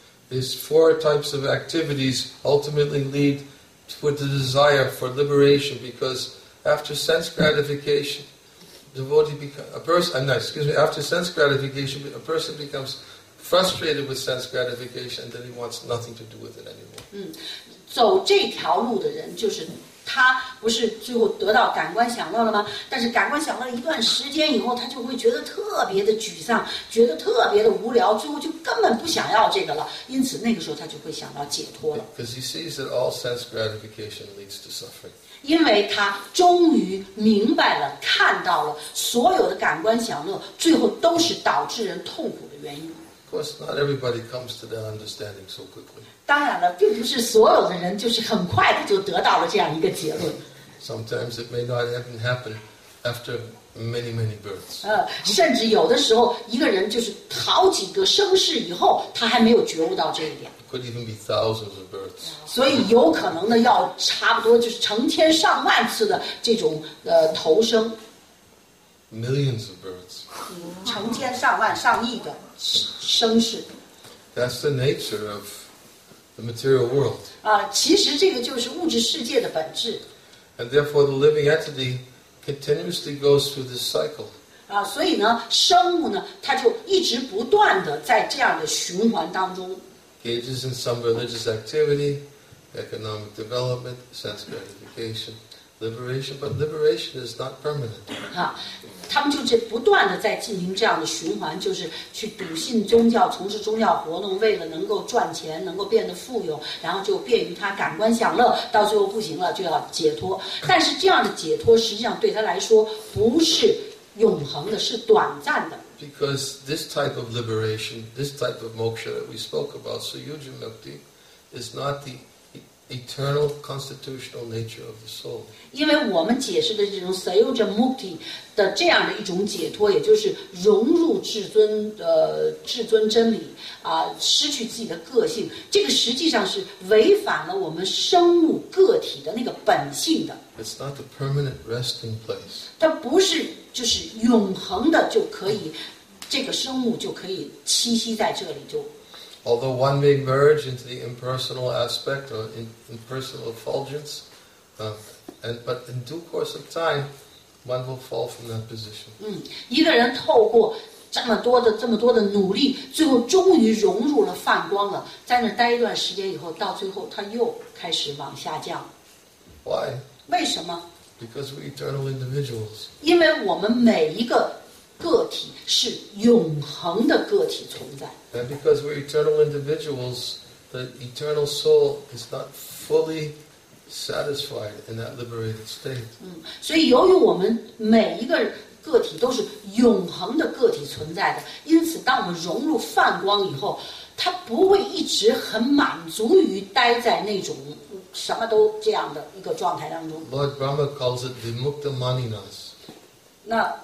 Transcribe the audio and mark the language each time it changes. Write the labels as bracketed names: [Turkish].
[English] These four types of activities ultimately lead for the desire for liberation, because after sense gratification, a person becomes frustrated with sense gratification, and then he wants nothing to do with it anymore. [Chinese] 走这条路的人，就是他不是最后得到感官享乐了吗？但是感官享乐了一段时间以后，他就会觉得特别的沮丧，觉得特别的无聊，最后就根本不想要这个了。因此那个时候他就会想到解脱了。 [English] Because he sees that all sense gratification leads to suffering. [Chinese] 因为他终于明白了，看到了所有的感官享乐最后都是导致人痛苦的原因。 [English] Of course, not everybody comes to that understanding so quickly. [Chinese] 当然了，并不是所有的人就是很快的就得到了这样一个结论。 [English] Sometimes it may not even happen after many, many births. [Chinese] 甚至有的时候，一个人就是好几个生世以后，他还没有觉悟到这一点。 [English] Could even be thousands of births. [Chinese] 所以有可能呢，要差不多就是成千上万次的这种投生。 [English] Millions of births. [Chinese] 成千上万上亿的生世。 [English] That's the nature of the material world. [Chinese] 其实这个就是物质世界的本质。 [English] And therefore the living entity continuously goes through this cycle. [Chinese] 所以呢生物呢它就一直不断的在这样的循环当中。 [English] Engages in some religious activity, economic development, sense gratification. Liberation, but liberation is not permanent. [Chinese] 他们就这不断的在进行这样的循环，就是去笃信宗教，从事宗教活动，为了能够赚钱，能够变得富有，然后就便于他感官享乐，到最后不行了就要解脱。但是这样的解脱实际上对他来说不是永恒的，是短暂的。 [English] Because this type of liberation, this type of moksha that we spoke about, Suyuji Mukti, is not the eternal constitutional nature of the soul. [Chinese] 因为我们解释的这种 Suyuji Mukti 的这样的一种解脱，也就是融入至尊真理，失去自己的个性，这个实际上是违反了我们生物个体的那个本性的。 [English] It's not the permanent resting place. [Chinese] 它不是就是永恒的就可以，这个生物就可以栖息在这里就。 [English] Although one may merge into the impersonal aspect or impersonal effulgence, but in due course of time, one will fall from that position. [Chinese] 一个人透过这么多的努力，最后终于融入了泛光了，在那待一段时间以后，到最后他又开始往下降。 [English] Why? [Chinese] 为什么？ [English] Because we're eternal individuals. [Chinese] 因为我们每一个个体是永恒的个体存在。 [English] And because we're eternal individuals, the eternal soul is not fully satisfied in that liberated state. [Chinese] 所以由于我们每一个个体都是永恒的个体存在的，因此当我们融入泛光以后，它不会一直很满足于待在那种什么都这样的一个状态当中。 [English] Lord Brahma calls it Vimukta Maninas.